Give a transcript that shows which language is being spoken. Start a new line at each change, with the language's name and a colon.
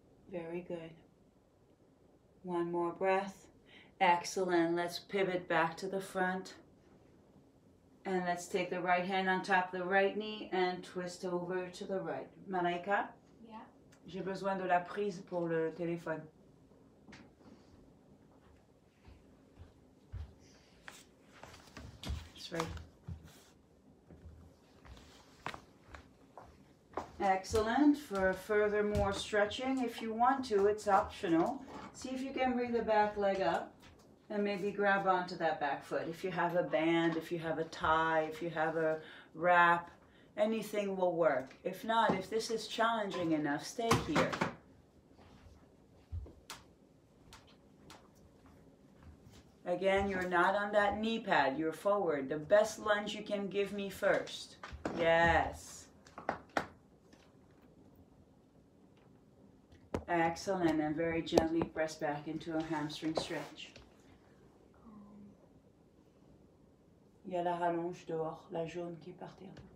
English: Very good. One more breath. Excellent. Let's pivot back to the front. And let's take the right hand on top of the right knee and twist over to the right. Malaika? Yeah?
French: J'ai besoin de la prise pour le téléphone.
English: Excellent. For further more stretching, if you want to, it's optional. See if you can bring the back leg up and maybe grab onto that back foot. If you have a band, if you have a tie, if you have a wrap, anything will work. If not, if this is challenging enough, stay here. Again, you're not on that knee pad, you're forward. The best lunge you can give me first. Yes. Excellent, and very gently press back into a hamstring stretch.
French: Il y a la rallonge dehors, la jaune qui est par terre.